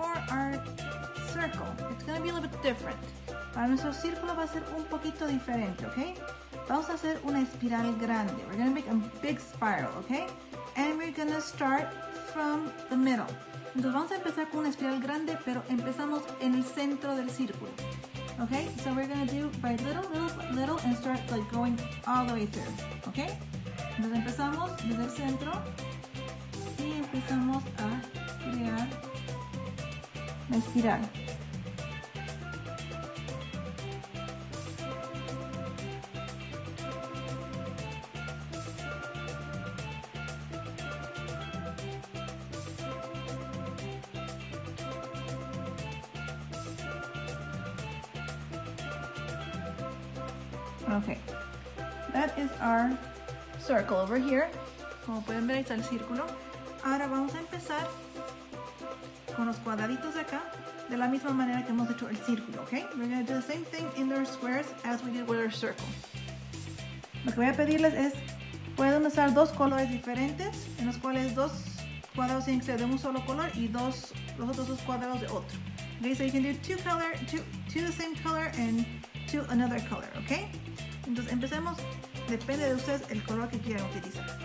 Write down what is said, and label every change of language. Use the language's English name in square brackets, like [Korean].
[English] Our circle, it's going to be a little bit different. [Spanish] Para nuestro círculo va a ser un poquito diferente, ¿ok? Vamos a hacer una espiral grande. [English] We're going to make a big spiral, ¿ok? And we're going to start from the middle. [Spanish] Entonces vamos a empezar con una espiral grande, pero empezamos en el centro del círculo, ¿ok? [English] So we're going to do by little, little, little, and start like going all the way through, ¿ok? [Spanish] Entonces empezamos desde el centro y empezamos a crear la espiral. [English] Okay, that is our circle over here. [Spanish] Como pueden ver, ahí está el círculo. Ahora vamos a empezar con los cuadraditos de acá, de la misma manera que hemos hecho el círculo, ¿ok? [English] We're going to do the same thing in their squares as we did with our circle. [Spanish] Lo que voy a pedirles es, pueden usar dos colores diferentes, en los cuales dos cuadrados tienen que ser de un solo color y dos, los otros dos cuadrados de otro. [English] Okay, so you can do two the same color and two another color, ¿ok? [Spanish] Entonces empecemos, depende de ustedes el color que quieran utilizar.